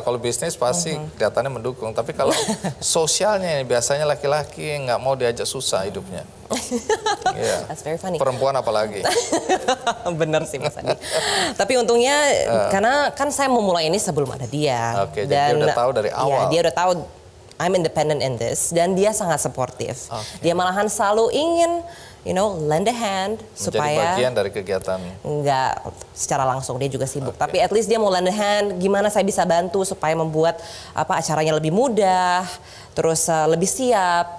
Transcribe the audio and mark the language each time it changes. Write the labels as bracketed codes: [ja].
[id] Kalau bisnis pasti kelihatannya mendukung. Tapi kalau sosialnya biasanya laki-laki nggak mau diajak susah hidupnya. [en] Yeah. That's very funny. [id] Perempuan apalagi. Benar sih Mas Andi. Tapi untungnya karena kan saya memulai ini sebelum ada dia. Oke, okay, jadi dia udah tahu dari awal. Iya, dia udah tahu [en] I'm independent in this. [id] Dan dia sangat supportive. Okay. Dia malahan selalu ingin, [en] you know, lend a hand [id] supaya jadi bagian dari kegiatan. Enggak secara langsung dia juga sibuk, okay. Tapi at least dia mau [en] lend a hand, [id] gimana saya bisa bantu supaya membuat apa acaranya lebih mudah, terus lebih siap.